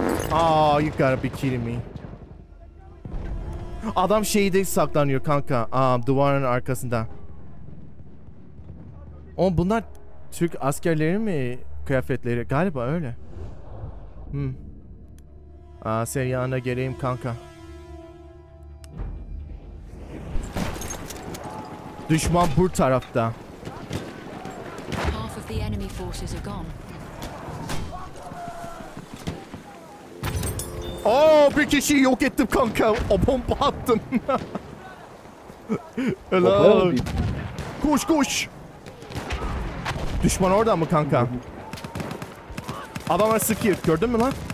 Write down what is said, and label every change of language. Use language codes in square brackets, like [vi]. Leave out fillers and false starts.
[en] Aww, you gotta be kidding me. [tr] Adam şeyde saklanıyor kanka. Duvarın arkasında. Oğlum bunlar Türk askerleri mi kıyafetleri? Galiba öyle. Senin yanına geleyim kanka. Düşman bu tarafta. [en] Half of the enemy forces are gone. [tr] Oh, bir kişi yok ettim kanka. O bomba attım. [en] Hello. [tr] Koş koş. Düşman orada mı kanka? Adamlar sıkıyor. Gördün mü lan?